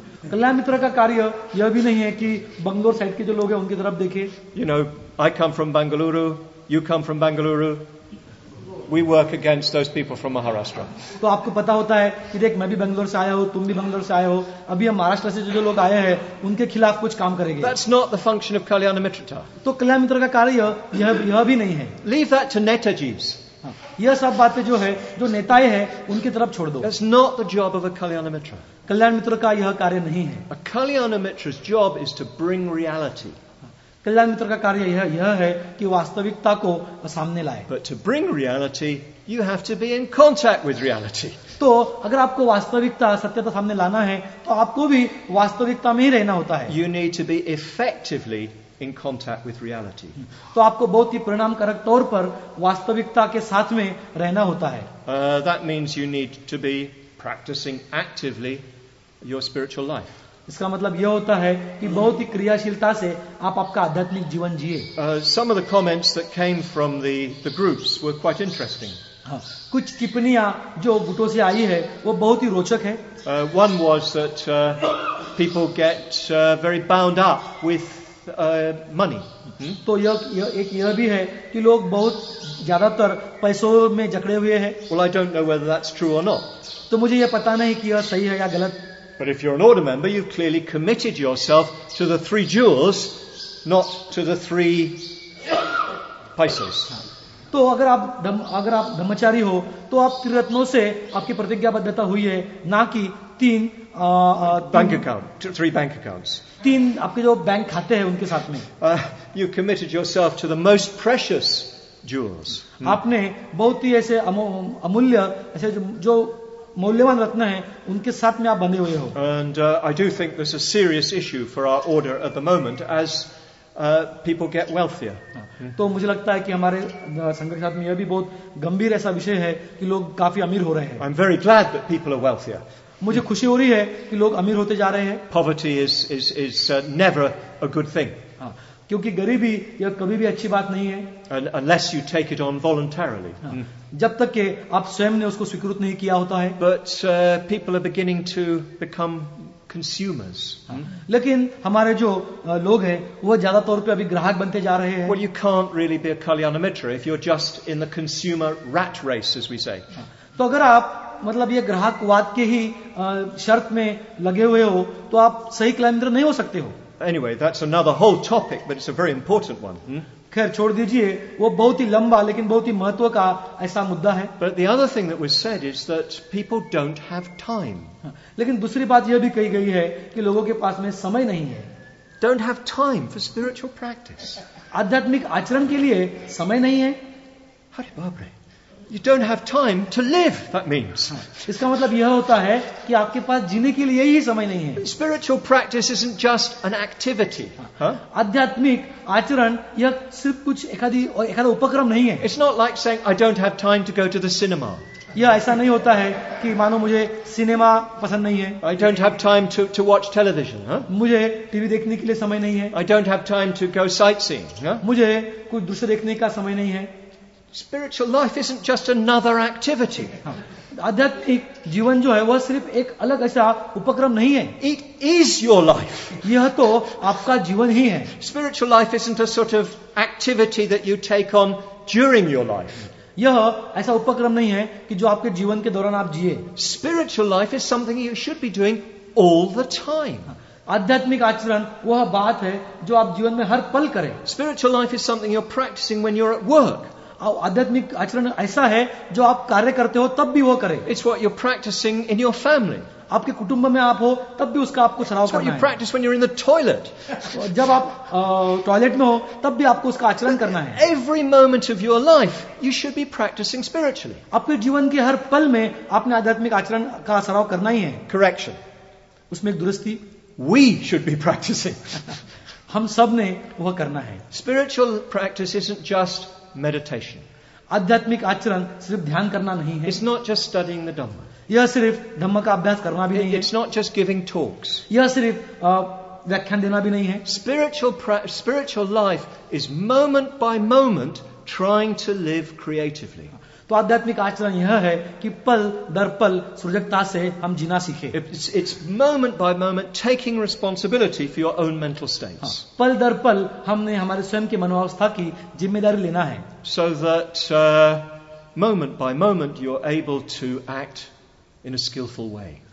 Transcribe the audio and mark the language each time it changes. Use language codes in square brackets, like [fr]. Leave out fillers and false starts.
[hi] कल्याण मित्र का कार्य यह भी नहीं है कि बंगलोर साइड के जो लोग हैं उनकी तरफ देखें. [en] You know, I come from Bangalore, you come from Bangalore. We work against those people from Maharashtra. [hi] तो आपको पता होता है कि देख मैं भी बंगलोर से आया हूँ, तुम भी बंगलोर से आए हो. अभी हम महाराष्ट्र से जो लोग आए हैं उनके खिलाफ कुछ काम करेंगे. [en] That's not the function of Kalyana Mitra. [hi] तो कल्याण मित्र का कार्य यह भी नहीं है. [en] Leave that to Netajis. [hi] यह सब बातें जो है जो नेताएं हैं उनकी तरफ छोड़ दो. [en] That's not the job of a Kalyana Mitra. [hi] कल्याण मित्र का यह कार्य नहीं है. [en] A Kalyana Mitra's job is to bring reality. [hi] कल्याण मित्र का कार्य यह है कि वास्तविकता को सामने लाए. [en] But to bring reality, you have to be in contact with reality. [hi] तो अगर आपको वास्तविकता सत्यता सामने लाना है तो आपको भी वास्तविकता में ही रहना होता है. [en] You need to be effectively in contact with reality. [hi] तो आपको बहुत ही परिणामकारक तौर पर वास्तविकता के साथ में रहना होता है. [en] That means you need to be practicing actively your spiritual life. [hi] इसका मतलब यह होता है कि बहुत ही क्रियाशीलता से आप आपका आध्यात्मिक जीवन जिए. [en] Some of the comments that came from the groups were quite interesting. [hi] कुछ टिप्पणियां जो गुटों से आई है वो बहुत ही रोचक है. [en] One was that people get very bound up with money. [hi] तो यह भी है कि लोग बहुत ज्यादातर पैसों में जकड़े हुए हैं. [en] Well, I don't know whether that's true or not. [hi] तो मुझे यह पता नहीं कि यह सही है या गलत. [en] But if you're an order member, you've clearly committed yourself to the three jewels, not to the three paisas. [hi] तो अगर आप ब्रह्मचारी हो तो आप त्रिरत्नों से आपकी प्रतिज्ञाबद्धता हुई है ना कि तीन [en] bank account, three bank accounts. [hi] तीन आपके जो बैंक खाते हैं उनके साथ में. [en] You committed yourself to the most precious jewels. [hi] आपने बहुत ही ऐसे अमूल्य ऐसे जो मौल्यवान रत्न है उनके साथ में आप बंधे हुए हो. [en] And I do think this is a serious issue for our order at the moment as people get wealthier. [hi] तो मुझे लगता है कि हमारे संघ के साथ में यह भी बहुत गंभीर ऐसा विषय है कि लोग काफी अमीर हो रहे हैं. [en] I'm very glad that people are wealthier. [hi] मुझे खुशी हो रही है कि लोग अमीर होते जा रहे हैं. [en] Poverty is never a good thing. [hi] क्योंकि गरीबी यह कभी भी अच्छी बात नहीं है. [en] Unless you take it on voluntarily. [hi] जब तक कि आप स्वयं ने उसको स्वीकृत नहीं किया होता है. [en] But people are beginning to become consumers. [hi] लेकिन हमारे जो लोग हैं वह ज्यादा तौर पे अभी ग्राहक बनते जा रहे हैं. [en] Well, you can't really be a Kalyana Mitra if you're just in the consumer rat race, as we say. [hi] तो अगर आप मतलब ये ग्राहकवाद के ही शर्त में लगे हुए हो तो आप सही कल्याण मित्र नहीं हो सकते हो. [en] Anyway, that's another whole topic, but it's a very important one. [hi] खैर छोड़ दीजिए, वो बहुत ही लंबा लेकिन बहुत ही महत्व का ऐसा मुद्दा है. [en] But the other thing that was said is that people don't have time. [hi] लेकिन दूसरी बात यह भी कही गई है कि लोगों के पास में समय नहीं है. [en] Don't have time for spiritual practice. [hi] आध्यात्मिक आचरण के लिए समय नहीं है. अरे बाप रे. [en] You don't have time to live, that means. [hi] इसका मतलब यह होता है कि आपके पास जीने के लिए ही समय नहीं है. [en] Spiritual practice isn't just an activity. [hi] आध्यात्मिक आचरण यह सिर्फ कुछ एकादा उपक्रम नहीं है. [en] It's not like saying, I don't have time to go to the cinema. [hi] यह ऐसा नहीं होता है कि मानो मुझे सिनेमा पसंद नहीं है. [en] I don't have time to watch television. [hi] मुझे टीवी देखने के लिए समय नहीं है. [en] I don't have time to go sightseeing. [hi] मुझे कुछ दृश्य देखने का समय नहीं है. [en] Spiritual life isn't just another activity. [hi] आध्यात्मिक जीवन जो है वह सिर्फ एक अलग ऐसा उपक्रम नहीं है. [en] It is your life. [hi] यह तो आपका जीवन ही है. [en] Spiritual life isn't a sort of activity that you take on during your life. [hi] यह ऐसा उपक्रम नहीं है कि जो आपके जीवन के दौरान आप जिए. [en] Spiritual life is something you should be doing all the time. [hi] आध्यात्मिक आचरण वह बात है जो आप जीवन में हर पल करें. [en] Spiritual life is something you're practicing when you're at work. [hi] आध्यात्मिक आचरण ऐसा है जो आप कार्य करते हो तब भी वो करें. [en] It's what you're practicing in your family. [hi] आपके कुटुंब में आप हो तब भी उसका आपको सराहना करना है. [en] You practice when you're in the toilet. [hi] जब आप टॉयलेट में हो तब भी आपको उसका आचरण करना है. [en] Every moment of your life, you should be practicing spiritually. [hi] आपके जीवन के हर पल में आपने आध्यात्मिक आचरण का सराहना करना ही है. [en] Correction. [hi] उसमें एक दुरुस्ती. [en] We should be practicing. [hi] हम सब ने वह करना है. [en] Spiritual practice isn't just meditation. [hi] आध्यात्मिक आचरण सिर्फ ध्यान करना नहीं है. [en] It's not just studying the Dhamma. [hi] यह सिर्फ धम्म का अभ्यास करना भी नहीं है. [en] It's not just giving talks. [hi] यह सिर्फ व्याख्यान देना भी नहीं है. [en] Spiritual life is moment by moment trying to live creatively. [hi] तो आध्यात्मिक आचरण यह है कि पल दर पल सृजकता से हम जीना सीखें. [en] It's moment by moment taking responsibility for your own mental states. [hi] पल दर पल हमने हमारे स्वयं के मनोवस्था की जिम्मेदारी लेना है. [en] So that moment by moment you're able to act in a skillful way.